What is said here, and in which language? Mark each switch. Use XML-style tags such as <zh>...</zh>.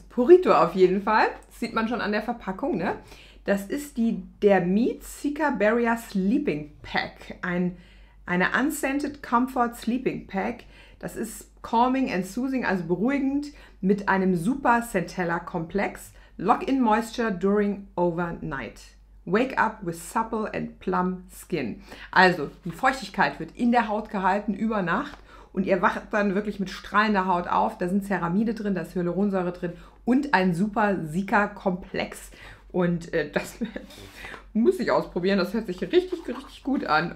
<de>Purito auf jeden Fall. Das sieht man schon an der Verpackung, ne? Das ist die Dermeet Seeker Barrier Sleeping Pack. Eine Unscented Comfort Sleeping Pack. Das ist</de> <en>calming and soothing,</en> <de>also beruhigend, mit einem Super Centella Komplex.</de> <en>Lock-in Moisture during overnight. Wake up with supple and plump skin.</en> <de>Also, die Feuchtigkeit wird in der Haut gehalten über Nacht und ihr wacht dann wirklich mit strahlender Haut auf. Da sind Ceramide drin, da ist Hyaluronsäure drin und ein Super Seeker Komplex. Und das muss ich ausprobieren. Das hört sich richtig, richtig gut an.</de>